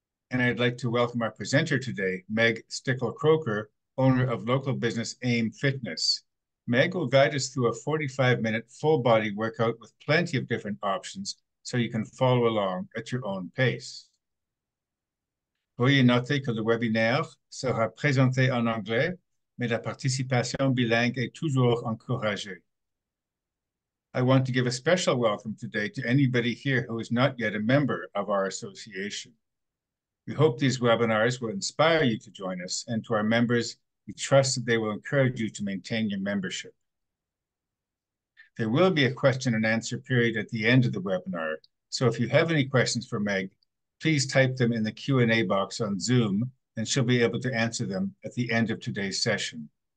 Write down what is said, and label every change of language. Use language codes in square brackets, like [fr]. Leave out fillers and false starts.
[en] And I'd like to welcome our presenter today, Meg Stickl-Kroeker, owner of local business AIM Fitness. Meg will guide us through a 45-minute full-body workout with plenty of different options so you can follow along at your own pace. [fr] Veuillez noter que le webinaire sera présenté en anglais, mais la participation bilingue est toujours encouragée. [en] I want to give a special welcome today to anybody here who is not yet a member of our association. We hope these webinars will inspire you to join us, and to our members, we trust that they will encourage you to maintain your membership. There will be a question and answer period at the end of the webinar, so if you have any questions for Meg, please type them in the Q&A box on Zoom, and she'll be able to answer them at the end of today's session.